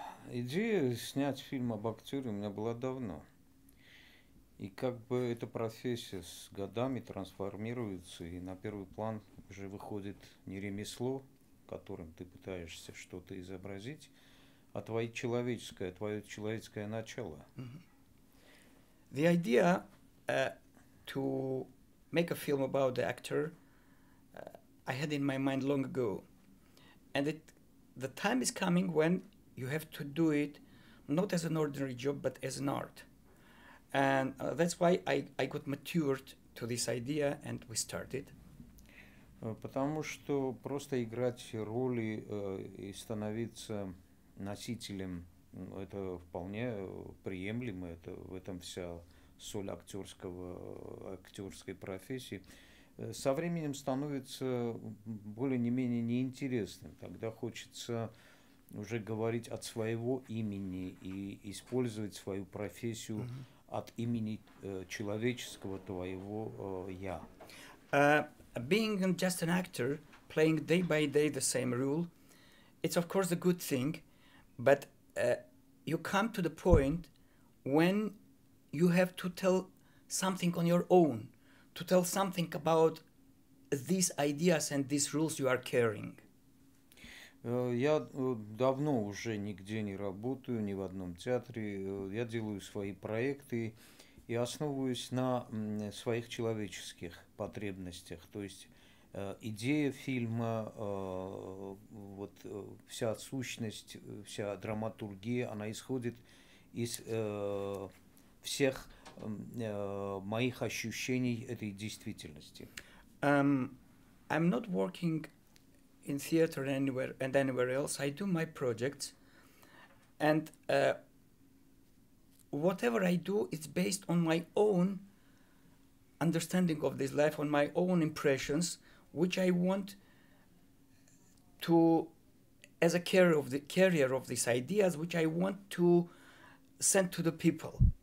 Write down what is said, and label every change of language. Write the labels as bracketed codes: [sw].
[ru] Идея снять фильм об актере у меня была давно. И как бы эта профессия с годами трансформируется, и на первый план уже выходит не ремесло, которым ты пытаешься что-то изобразить, а твое человеческое начало. [en] The idea to make a film about the actor I had in my mind long ago. And the time is coming when you have to do it not as an ordinary job, but as an art. And that's why I got matured to this idea and we started. [ru] Потому что просто играть роли и становиться носителем, это вполне приемлемо, это в этом вся соль актерской профессии, со временем становится более-менее неинтересным. Тогда хочется уже говорить от своего имени и использовать свою профессию от имени человеческого твоего «я». [en] Being just an actor, playing day by day the same role, it's of course a good thing, but you come to the point when you have to tell something on your own, to tell something about these ideas and these rules you are carrying. [ru] Я давно уже нигде не работаю, ни в одном театре. Я делаю свои проекты и основываюсь на своих человеческих потребностях. То есть идея фильма, вот вся сущность, вся драматургия, она исходит из всех моих ощущений этой действительности. [en] I'm not working in theater anywhere and anywhere else. I do my projects, and whatever I do, it's based on my own understanding of this life, on my own impressions, which I want to, as a carrier of these ideas, which I want to send to the people.